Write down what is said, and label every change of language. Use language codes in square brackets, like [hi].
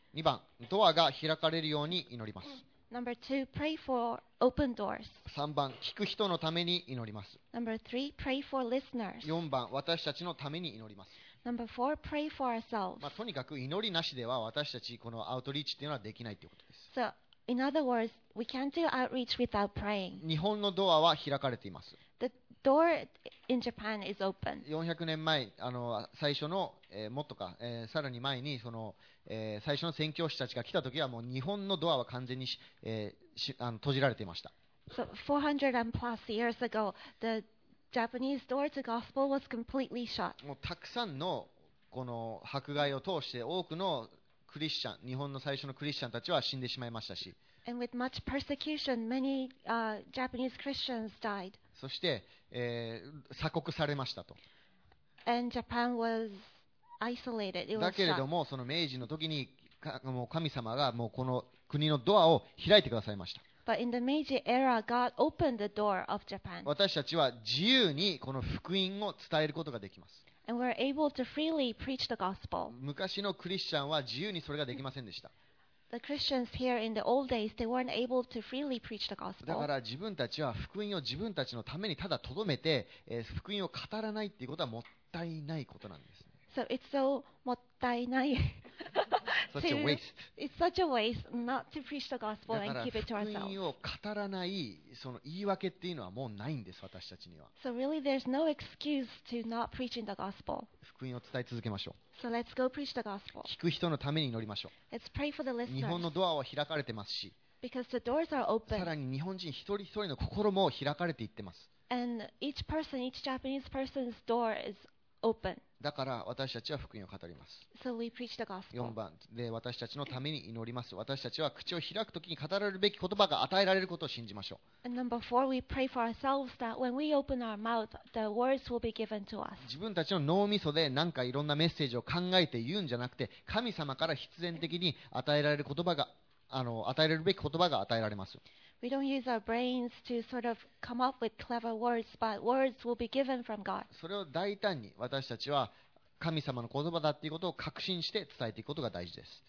[ja] 2番、ドアが開かれるように祈ります。 [en] Number two, pray for open doors. [ja] 3番、聞く人のために祈ります。 [en] Number three, pray for listeners. [ja] 4番、私たちのために祈ります。 [en] Number four, pray for ourselves. [ja] まあ、とにかく祈りなしでは私たちこのアウトリーチっていうのはできないということです。 [en] So, in other words, we can't do outreach without praying. [ja] 日本のドアは開かれています。 [en] The door in Japan is open. [ja] 400年前、最初の、もっとか、さらに前にその、最初の宣教師たちが来た時はもう日本のドアは完全に、閉じられていました。 [en] So, 400 and plus years ago, the Japanese door to gospel was completely shut. [ja] もうたくさんのこの迫害を通して多くのクリスチャン、日本の最初のクリスチャンたちは死んでしまいましたし。 [en] And with much persecution, many, Japanese Christians died. [ja] そして、鎖国されましたと。 [en] And Japan was isolated. It was [ja] shut. だけれどもその明治の時にもう神様がもうこの国のドアを開いてくださいました。 [en] But in the Meiji era, God opened the door of Japan. [ja] 私たちは自由にこの福音を伝えることができます。 [en] And we're able to freely preach the gospel. [ja] 昔のクリスチャンは自由にそれができませんでした。 [en] The Christians here in the old days, they weren't able to freely preach the gospel. [ja] だから自分たちは福音を自分たちのためにただ留めて、福音を語らないっていうことはもったいないことなんです。 [en] So it's so [ja] もったいない。 [en] such a waste. It's such a waste not to preach the gospel and keep it to ourselves. [ja] だから福音を語らないその言い訳っていうのはもうないんです私たちには。 [en] So really, there's no excuse to not preaching the gospel. [ja] 福音を伝え続けましょう。 [en] So let's go preach the gospel. [ja] 聞く人のために祈りましょう。 [en] Let's pray for the listeners. [ja] 日本のドアは開かれてますし。 [en] Because the doors are open. [ja] さらに日本人一人一人の心も開かれていってます。 [en] And each person, each Japanese person's door is open. [ja] だから私たちは福音を語ります。 [en] So、we preach the gospel. [ja] 4番で私たちのために祈ります。私たちは口を開くときに語られるべき言葉が与えられることを信じましょう。 [en] And number four, we pray for ourselves that when we open our mouth, the words will be given to us. [ja] 自分たちの脳みそでなんかいろんなメッセージを考えて言うんじゃなくて、神様から必然的に与えられる言葉が与えられるべき言葉が与えられます。 [en] We don't use our brains to sort of come up with clever words, but words will be given from God. [ja] それを大胆に私たちは神様の言葉だということを確信して伝えていくことが大事です。